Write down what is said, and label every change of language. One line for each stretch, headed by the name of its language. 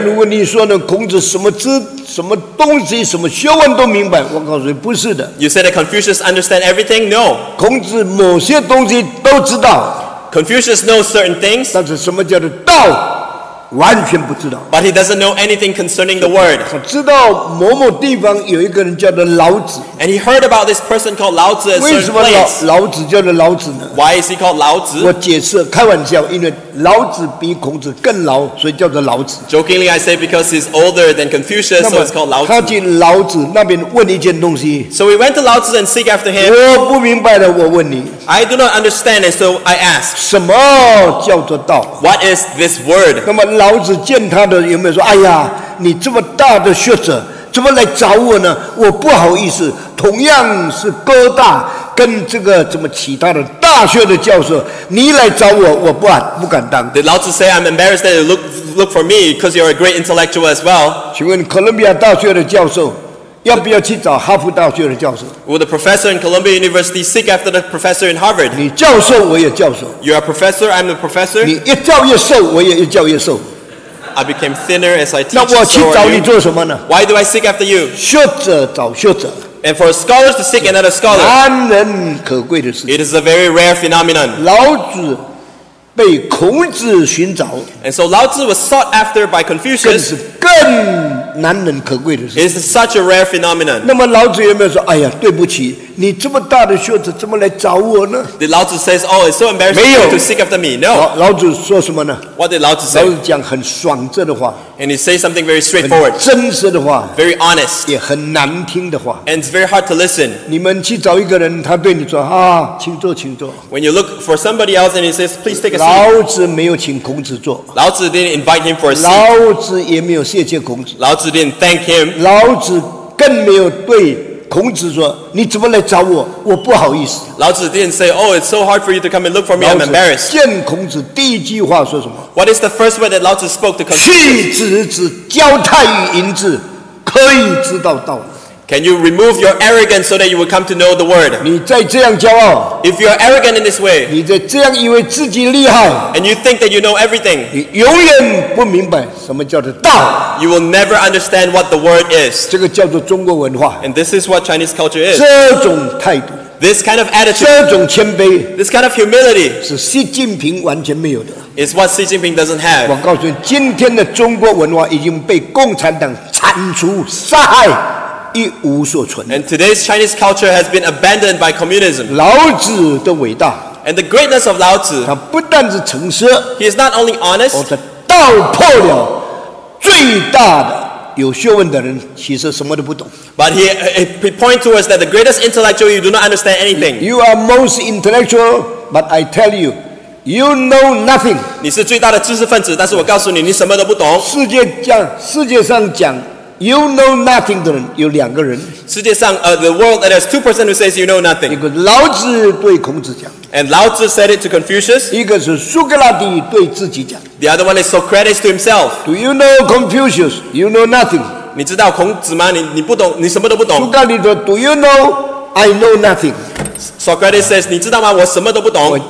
Chinese: 如果你说呢，孔子什么知什么东西什么学问都明白，我告诉你不是的。
English: You said that Confucius understand everything? No.
Chinese: 孔子某些东西都知道。
English: Confucius knows certain things.
Chinese: 但是什么叫做道，完全不知道。
English: But he doesn't know anything concerning the word.
Chinese: 他知道某某地方有一个人叫做老子。
English: And he heard about this person called Lao Tzu.
Chinese: 为什么老子叫做老子呢
English: ？Why is he called Lao Tzu?
Chinese: 我解释开玩笑，因为老子比孔子更老，所以叫做老子。
English: Jokingly, I say because he's older than Confucius, so it's called Lao Tzu.
Chinese: 他去老子那边问一件东西。
English: So we went to Lao Tzu and seek after him.
Chinese: 我不明白的，我问你。
English: I do not understand, and so I ask.
Chinese: 什么叫做道
English: ？What is this word?
Chinese: 那么老子见他的有没有说：“哎呀，你这么大的学者，怎么来找我呢？我不好意思。” 同样是哥大。跟这个怎么其他的大学的教授，你来找我，我不敢当。
English: Did Lao Tzu say I'm embarrassed that you look for me because you're a great intellectual as well?
Chinese: 请问哥伦比亚大学的教授要不要去找哈佛大学的教授
English: ？Will the professor in Columbia University seek after the professor in Harvard?
Chinese: 你教授我也教授。
English: You're a professor, I'm a professor.
Chinese: 你越教越瘦，我也越教越瘦。
English: I became thinner as I teach.
Chinese: 那我去找你做什么呢
English: ？Why do I seek after you?
Chinese: 学者找学者。
English: And for a scholar to seek another scholar,
Chinese: 难能可贵的事。
English: It is a very rare phenomenon.
Chinese: 老子被孔子寻找。
English: And so Lao Tzu was sought after by Confucius.
Chinese: 更是更难能可贵的事。
English: It is such a rare phenomenon.
Chinese: 那么老子有没有说，哎呀，对不起，你这么大的学者怎么来找我呢？
English: Did Lao Tzu says, oh, it's so embarrassing to seek after me? No.
Chinese: 老子说什么呢？
English: What did Lao Tzu say?
Chinese: 老子讲很爽直的话。
English: And he says something very straightforward.
Chinese: 真实的话。
English: Very honest.
Chinese: 也很难听的话。
English: And it's very hard to listen.
Chinese: 你们去找一个人，他对你说，啊，请坐，请坐。
English: When you look for somebody else and he says, please take a seat.
Chinese: 老子没有请孔子坐。
English: Lao Tzu didn't invite him for a seat.
Chinese: 老子也没有谢谢孔子。
English: Lao Tzu didn't thank him.
Chinese: 老子更没有对孔子说，你怎么来找我？我不好意思。
English: 老子 didn't say, oh, it's so hard for you to come and look for me. I'm embarrassed.
Chinese: 见孔子第一句话说什么
English: ？What is the first word that Lao Tzu spoke to Confucius?
Chinese: 去子子，交态于淫子，可以知道道。
English: Can you remove your arrogance so that you will come to know the word?
Chinese: 你再这样骄傲
English: ，If you are arrogant in this way,
Chinese: 你再这样以为自己厉害
English: ，And you think that you know everything,
Chinese: 你永远不明白什么叫做道。
English: You will never understand what the word is.
Chinese: 这个叫做中国文化
English: ，And this is what Chinese culture is.
Chinese: 这种态度
English: ，This kind of attitude.
Chinese: 这种谦卑
English: ，This kind of humility.
Chinese: 是习近平完全没有的。
English: It's what Xi Jinping doesn't have.
Chinese: 我告诉你，今天的中国文化已经被共产党铲除杀害。一无所存。
English: And today's Chinese culture has been abandoned by communism.
Chinese: 老子的伟大。
English: And the greatness of Lao Tzu.
Chinese: 他不但是诚实。
English: He is not only honest.
Chinese: 他道破了最大的有学问的人其实什么都不懂。
English: But he points to us that the greatest intellectual you do not understand anything. You are most intellectual, but I tell you, you know nothing.
Chinese: 你是最大的知识分子，但是我告诉你，你什么都不懂。世界上讲。
English: You know nothing
Chinese: 的人有两个人。世界上
English: the world that has two persons who says you know nothing.
Chinese: 一个老子对孔子讲。
English: And Lao Tzu said it to Confucius.
Chinese: 一个是苏格拉底对自己讲。
English: The other one is Socrates to himself. Do you know Confucius? You know nothing.
Chinese: 你知道孔子吗？你不懂，你什么都不懂。苏格拉底说
English: ，Do you know? I know nothing. Socrates says,
Chinese: 你知道吗？我什么都不懂。